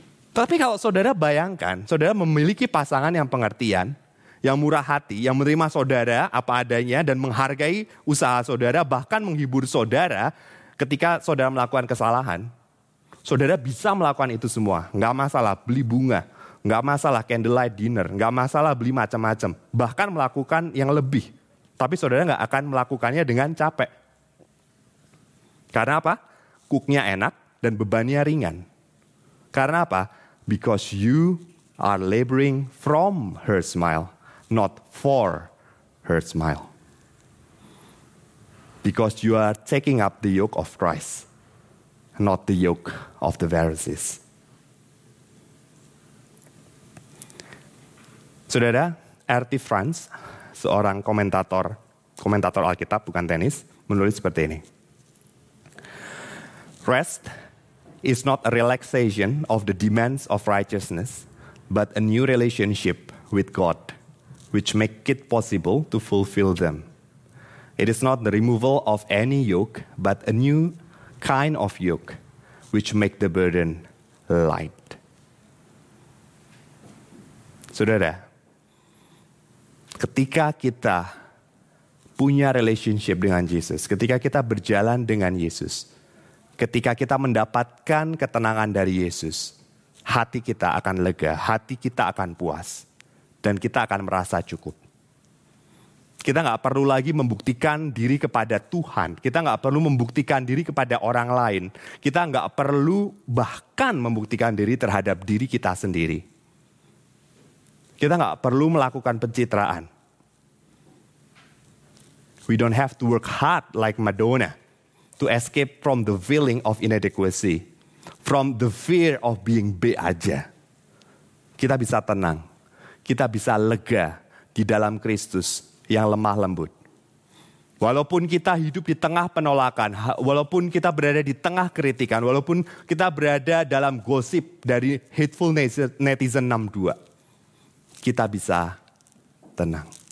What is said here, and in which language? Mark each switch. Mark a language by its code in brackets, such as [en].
[id] Tapi kalau saudara bayangkan, saudara memiliki pasangan yang pengertian, yang murah hati, yang menerima saudara apa adanya dan menghargai usaha saudara, bahkan menghibur saudara ketika saudara melakukan kesalahan, saudara bisa melakukan itu semua. Gak masalah beli bunga, gak masalah [en] candlelight dinner, [id] gak masalah beli macam-macam, bahkan melakukan yang lebih. Tapi saudara gak akan melakukannya dengan capek. Karena apa? Cooknya enak dan bebannya ringan. Karena apa? [en] Because you are laboring from her smile, not for her smile. Because you are taking up the yoke of Christ, not the yoke of the Pharisees. [id] Saudara, R.T. France, seorang komentator Alkitab, bukan tenis, menulis seperti ini. [en] Rest is not a relaxation of the demands of righteousness, but a new relationship with God, which make it possible to fulfill them. It is not the removal of any yoke, but a new kind of yoke, which make the burden light. [id] Saudara, ketika kita punya [en] relationship [id] dengan Yesus, ketika kita berjalan dengan Yesus, ketika kita mendapatkan ketenangan dari Yesus, hati kita akan lega, hati kita akan puas, dan kita akan merasa cukup. Kita gak perlu lagi membuktikan diri kepada Tuhan. Kita gak perlu membuktikan diri kepada orang lain. Kita gak perlu bahkan membuktikan diri terhadap diri kita sendiri. Kita gak perlu melakukan pencitraan. [en] We don't have to work hard like Madonna to escape from the feeling of inadequacy, from the fear of being [id] B aja. Kita bisa tenang. Kita bisa lega di dalam Kristus yang lemah lembut. Walaupun kita hidup di tengah penolakan, walaupun kita berada di tengah kritikan, walaupun kita berada dalam gosip dari [en] hateful netizen [id] 62, kita bisa tenang.